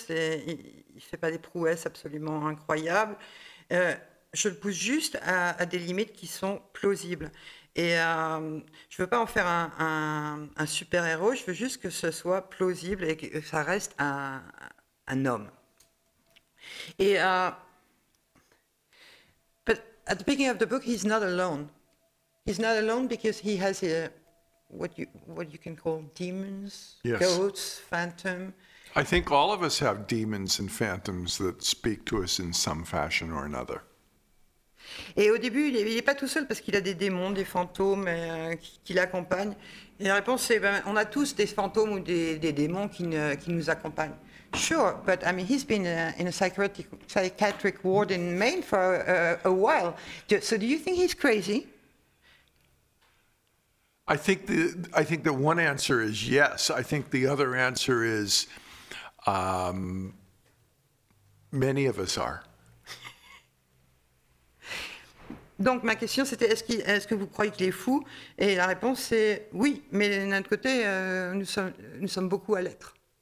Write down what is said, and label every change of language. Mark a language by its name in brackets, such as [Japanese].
[French] Il ne fait pas des prouesses absolument incroyables. Je le pousse juste à des limites qui sont plausibles. Et je ne veux pas en faire un super-héros. Je veux juste que ce soit plausible et que ça reste un homme. [English] Et, but at the beginning of the book, he's not alone. He's not alone because he has a... What you can call demons, yes. Ghosts, phantom. I think all of us have demons and phantoms that speak to us in some fashion or another. [French] Et au début, il n'est pas tout seul parce qu'il a des démons, des fantômes qui l'accompagnent. Et la réponse, c'est ben, on a tous des fantômes ou des démons qui nous accompagnent. [English] Sure, but I mean, he's been in a psychiatric ward in Maine for a while. So do you think he's crazy? I think the one answer is yes. I think the other answer is many of us are. [French] Donc ma question c'était est-ce que vous croyez qu'il est fou? Et la réponse c'est oui, mais d'un autre côté nous sommes beaucoup à l'être.